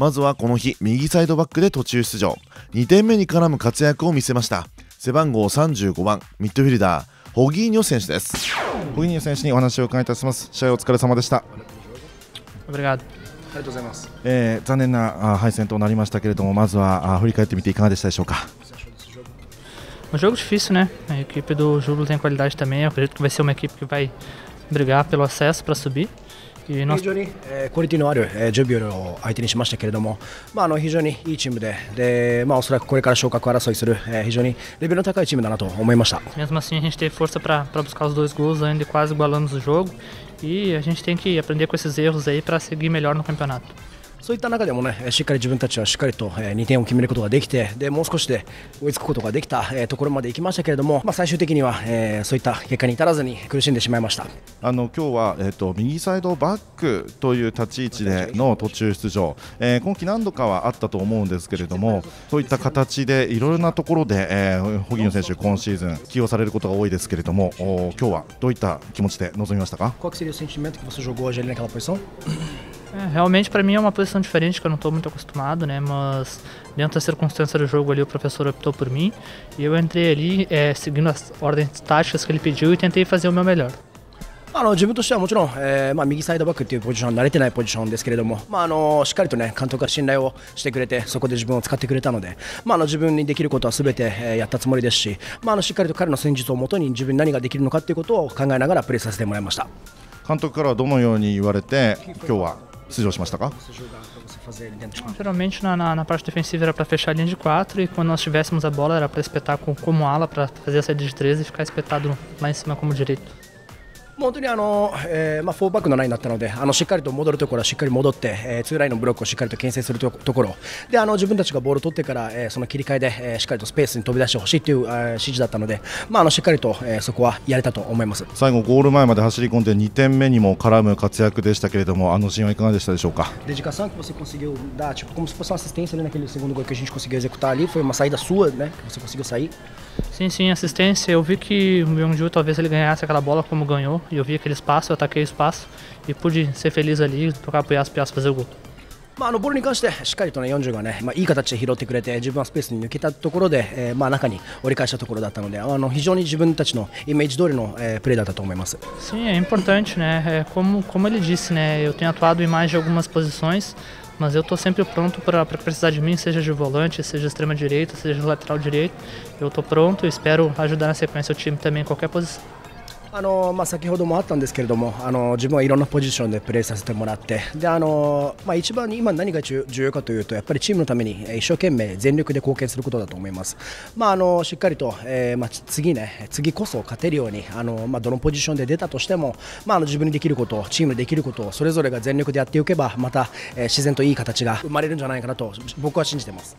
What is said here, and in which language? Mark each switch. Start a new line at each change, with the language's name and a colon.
Japanese: まずはこの日右サイドバックで途中出場、2点目に絡む活躍を見せました背番号35番、ミッドフィルダーホギーニョ選手です。ホギーニョ選手にお話を伺いいたします。試合お疲れ様でした。ありがとうございます。残念な敗戦となりましたけれども、まずは振り返ってみていかがでしたでしょうか。
Portuguese: Um jogo difícil, né? A equipe do Júbilo tem qualidade também. Acredito que vai ser uma equipe que vai brigar pelo acesso para subir.
Japanese: 非常に、クオリティのある、ジュビロを相手にしましたけれども、まあ、あの非常にいいチーム で、まあ、おそらくこれから昇格争いする、非常にレベルの高いチームだなと思いました。
Portuguese: Mesmo assim, a gente teve força para buscar os dois gols, ainda quase igualamos o jogo, e a gente tem que aprender com esses erros aí para seguir melhor no campeonato.
Japanese: そういった中でもね、しっかり自分たちはしっかりと2点を決めることができて、でもう少しで追いつくことができたところまで行きましたけれども、まあ、最終的にはそういった結果に至らずに苦しんでしまいました。あの今日は、右サイドバックという立ち位置での途中出場、今季何度かはあったと思うんですけれども、そういった形でいろいろなところで荻野選手今シーズン起用されることが多いですけれども、今日はどういった気持ちで臨みましたか？
Portuguese: Qual seria o sentimento que você jogou hoje ali naquela posição? Realmente para mim é uma posição diferente que eu não estou muito acostumado, né? Mas dentro das circunstâncias do jogo ali o professor optou por mim e eu entrei ali seguindo as ordens táticas que ele pediu e tentei fazer o meu melhor.
Japanese: あの自分としてはもちろん、まあ、右サイドバックというポジション慣れてないポジションですけれども、まあ、あのしっかりと、ね、監督が信頼をしてくれて、そこで自分を使ってくれたので、まあ、あの自分にできることはすべて、やったつもりですし、まあ、あのしっかりと彼の戦術をもとに自分に何ができるのかということを考えながらプレーさせてもらいました。監督からはどのように言われて今日は出場しましたか？
Portuguese: Geralmente na parte defensiva era para fechar a linha de 4 e quando nós tivéssemos a bola era para espetar como ala para fazer a saída de 3 e ficar espetado lá em cima como direito.
Japanese: 本当にあの、まあ、4バックのラインだったので、あのしっかりと戻るところはしっかり戻って、2ラインのブロックをしっかりと牽制する ところで、あの自分たちがボールを取ってから、その切り替えで、しっかりとスペースに飛び出してほしいという、指示だったので、まあ、あのしっかりと、そこはやれたと思います。最後ゴール前まで走り込んで2点目にも絡む活躍でしたけれども、あのシーンはいかがでしたでしょうか？
Portuguese: デジカさん、você conseguiu dar tipo como se fosse uma assistência ali naquele segundo gol que a gente conseguiu executar ali, foi uma saída sua, né? Você conseguiu sair? Sim, sim, assistência. Eu vi que o Myung-ju talvez ele ganhasse aquela bola como ganhou. E eu vi aquele espaço, eu ataquei o espaço e pude ser feliz ali, tocar pro Yasu fazer o gol.
Japanese: まあ、あのボールに関してしっかりと、ね、40が、ねまあ、いい形で拾ってくれて、自分はスペースに抜けたところで、まあ、中に折り返したところだったので、あの非常に自分たちのイメージ通りの、プレーだったと思います。
Portuguese: Sim, é importante, né? como ele disse, né? Eu tenho atuado em mais de algumas posições, mas eu estou sempre pronto para precisar de mim, seja de volante, seja de extrema direita, seja de lateral direito. Eu estou pronto e espero ajudar na sequência o time também em qualquer posição.
Japanese: あのまあ、先ほどもあったんですけれども、あの自分はいろんなポジションでプレーさせてもらって、であの、まあ、一番に今何が重要かというと、やっぱりチームのために一生懸命全力で貢献することだと思います。まあ、あのしっかりと、まあ 次こそ勝てるように、あの、まあ、どのポジションで出たとしても、まあ、あの自分にできること、チームにできることをそれぞれが全力でやっていけば、また、自然といい形が生まれるんじゃないかなと僕は信じています